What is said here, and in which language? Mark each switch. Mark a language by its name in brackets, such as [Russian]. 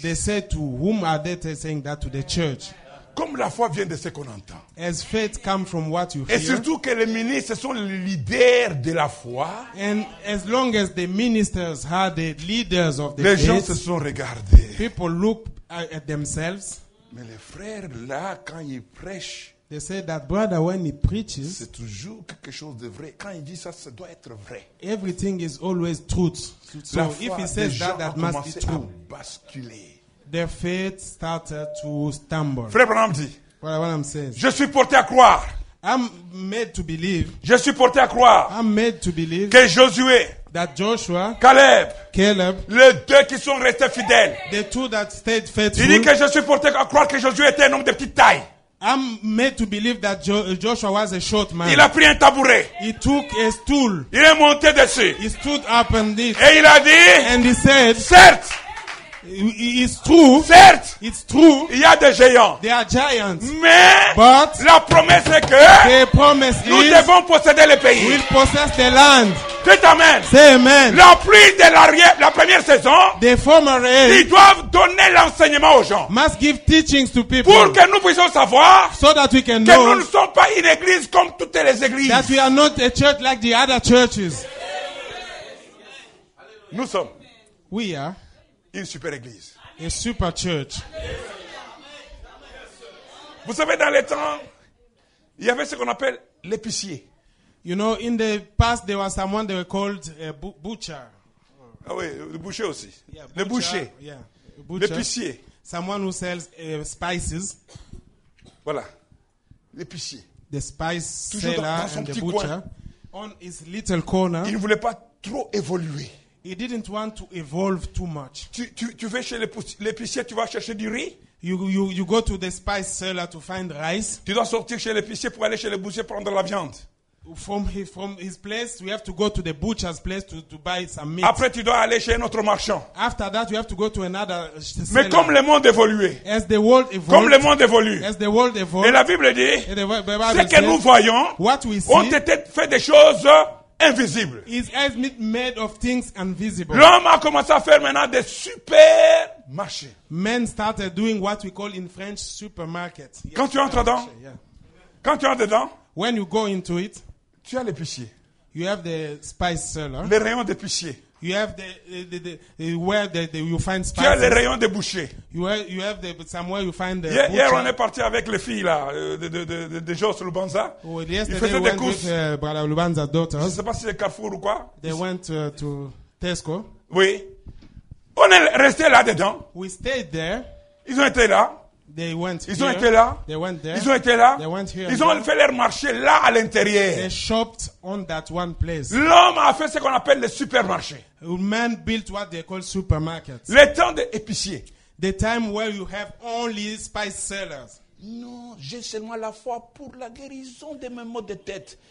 [English] They say to whom are they saying that to the church? [French] Comme la foi vient de ce qu'on entend. [English] As faith comes from what you [French] et Et surtout que les ministres sont les leaders de la foi. [English] And as long as the ministers are the leaders of the [French] les [English] faith. [French] Les gens se sont regardés. [English] People look at themselves. [French] Mais les frères là, quand ils prêchent. [English] They say that brother when he preaches. [French] C'est toujours quelque chose de vrai. Quand il dit ça, ça doit être vrai. [English] Everything is always truth. So [French] la [English] if he says that, that must be true. [French] Basculer. [English] Their faith started to stumble. [French] Frère Branham dit. [English] Voilà, what I'm saying. [French] Je suis porté à croire. [English] I'm made to believe. [French] Je suis porté à croire. [English] I'm made to believe. [French] Que Josué. [English] That Joshua, [French] Caleb, les deux qui sont restés fidèles. [English] The two that stayed faithful. [French] Il dit que je suis porté à croire que Josué était un homme de petite taille. [English] I'm made to believe that Joshua was a short man. [French] Il a pris un tabouret. [English] He took a stool. [French] Il est monté dessus. [English] He stood up on this. [French] Et il a dit. [English] And he said. [French] Certes. [English] It's true. [French] Certes. [English] It's true. [French] Il y a des géants. [English] There are giants. [French] Mais. [English] But. [French] La promesse est que. [English] The promise [French] nous [English] is. [French] Nous devons posséder le pays. [English] We'll possess the land. [French] C'est amen. [English] Say amen. [French] La pluie de la première saison. [English] The former rain. [French] Ils doivent donner l'enseignement aux gens. [English] Must give teachings to people. [French] Pour que nous puissions savoir. [English] So that we can [French] que [English] know. [French] Que nous ne sommes pas une église comme toutes les églises. [English] That we are not a church like the other churches. [French] Nous sommes. [English] We are. [French] Une super église. [English] A super church. [French] Vous savez, dans les temps, il y avait ce qu'on appelle l'épicier. [English] You know, in the past, there was someone they were called a butcher. [French] Ah oui, le boucher aussi. Yeah, [English] butcher, [French] le boucher. L'épicier. [English] Yeah, someone who sells spices. [French] Voilà. L'épicier. [English] The spice [French] toujours [English] seller [French] dans son [English] and [French] petit [English] the butcher. [French] Coin. [English] On his little corner. [French] Il ne voulait pas trop évoluer. [English] He didn't want to evolve too much. [French] Tu vas chez l'épicier, tu vas chercher du riz. [English] You go to the spice seller to find rice. [French] Tu dois sortir chez l'épicier pour aller chez le boucher prendre la viande. [English] From his place, we have to go to the butcher's place to buy some meat. [French] Après, tu dois aller chez un autre marchand. [English] After that, you have to go to another seller. [French] Mais comme le monde évoluait, [English] as the world evolved, [French] comme le monde évolue, [English] as the world evolved, [French] et la Bible dit, ce que nous voyons, [English] what we see, [French] ont été fait des choses. Invisible. [English] His eyes made of things invisible. [French] L'homme a commencé à faire maintenant des super marchés. [English] Men started doing what we call in French supermarket. [French] Yes, quand tu entres dedans, [English] yeah. [French] Quand tu entres dedans, [English] when you go into it, [French] tu as l'épicier. [English] You have the spice seller. [French] Le rayon d'épicier. [English] You have the where the you find spices. [French] Tu as le rayon de boucher. [English] You have the somewhere you find the. [French] Hier, on est parti avec les filles là de Jos Lubanza. [English] Oh, yesterday we went with Lubanza's daughters. [French] Je ne sais pas si c'est Carrefour ou quoi. [English] They went to Tesco. [French] Oui. On est resté là dedans. [English] We stayed there. [French] Ils ont été là. [English] They went. [French] Ils [English] here. [French] Ont été là. [English] They went there. [French] Ils ont été là. [English] They went here. [French] Ils ont fait leur marché là à l'intérieur. [English] They shopped on that one place. [French] L'homme a fait ce qu'on appelle le supermarché. [English] A man built what they call supermarkets. [French] Le temps des épiciers. [English] The time where you have only spice sellers. [French] Non, j'ai seulement la foi pour la guérison de mes maux de tête.